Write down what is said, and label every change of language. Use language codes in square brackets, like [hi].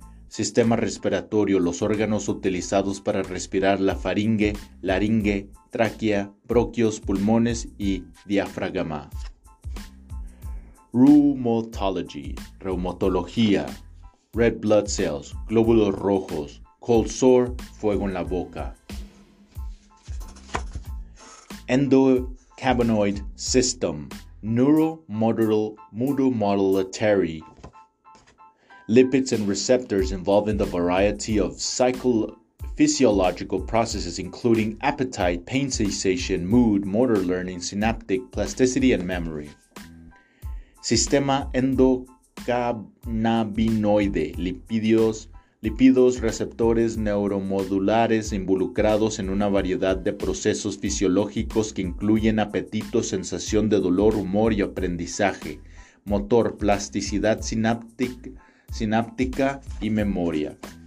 [es] Sistema respiratorio, los órganos utilizados para respirar, la faringe, laringe, tráquea, bronquios, pulmones y diafragma. Rheumatology, reumatología, red blood cells, glóbulos rojos, cold sore, fuego en la boca. [en] Endocannabinoid system, neuromodulatory, lipids and receptors involving the variety of physiological processes including appetite, pain sensation, mood, motor learning, synaptic plasticity, and memory. [es] Sistema endocannabinoide, lípidos, receptores neuromodulares involucrados en una variedad de procesos fisiológicos que incluyen apetito, sensación de dolor, humor y aprendizaje, motor, plasticidad sináptica y memoria.